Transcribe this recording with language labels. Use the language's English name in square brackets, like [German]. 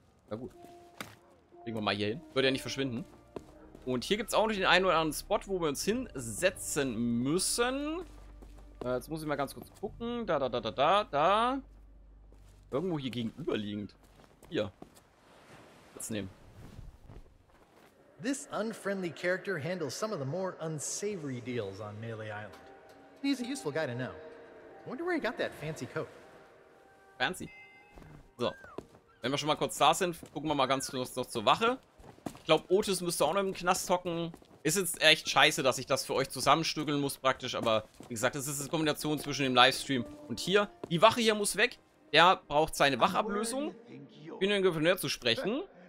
[German] Na gut. Legen wir mal hier hin. Wird ja nicht verschwinden. Und hier gibt es auch noch den einen oder anderen Spot, wo wir uns hinsetzen müssen. Jetzt muss ich mal ganz kurz gucken. Da. Irgendwo hier gegenüberliegend. Hier. Platz nehmen. [English] This unfriendly character handles some of the more unsavory deals on Melee Island. He's a useful guy to know. I wonder where he got that fancy coat. Fancy. So. [German] Wenn wir schon mal kurz da sind, gucken wir mal ganz kurz noch zur Wache. Ich glaube, Otis müsste auch noch im Knast hocken. Ist jetzt echt scheiße, dass ich das für euch zusammenstückeln muss praktisch. Aber wie gesagt, das ist eine Kombination zwischen dem Livestream und hier. Die Wache hier muss weg. Der braucht seine Wachablösung. Ich bin den Gouverneur zu sprechen.